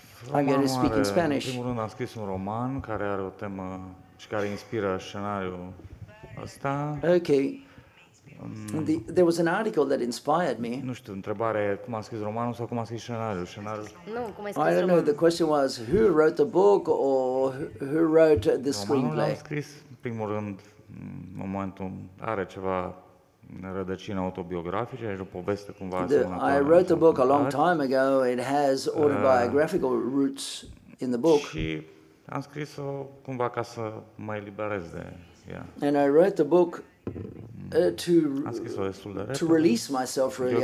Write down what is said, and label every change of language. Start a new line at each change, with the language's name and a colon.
Romanian: Romanul, în primul rând, am scris un roman care are o temă și care inspiră scenariul ăsta.
English: Okay. There was an article that inspired me.
Romanian: Nu știu, întrebare, cum am scris romanul sau cum am scris scenariul? Scenariul. Nu, cum ai scris romanul?
English: I don't know, the question was who wrote the book or who wrote the screenplay?
Romanian: Am scris, în primul rând, în momentul, are ceva rădăcini autobiografice, e o poveste cumva.
English: I wrote the book a long time ago. It has autobiographical roots in the book.
Romanian: Și am scris-o cumva ca să mă eliberez de ea.
English: And I wrote the book to release myself, really.